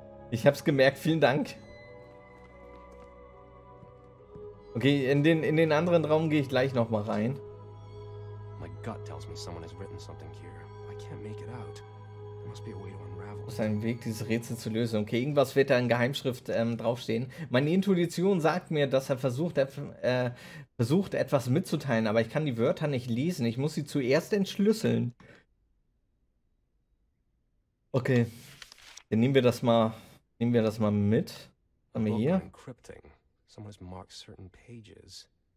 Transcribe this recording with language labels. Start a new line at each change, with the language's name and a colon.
German: Ich hab's gemerkt, vielen Dank. Okay, in den anderen Raum gehe ich gleich noch mal rein.
English: My gut tells me someone has written something here. I can't make it out. There must be a way to unravel.
German: Das ist ein Weg, dieses Rätsel zu lösen. Okay, irgendwas wird da in Geheimschrift draufstehen. Meine Intuition sagt mir, dass er versucht etwas mitzuteilen, aber ich kann die Wörter nicht lesen. Ich muss sie zuerst entschlüsseln. Okay, dann nehmen wir das mal mit. Haben wir hier?
English: Someone has marked certain pages.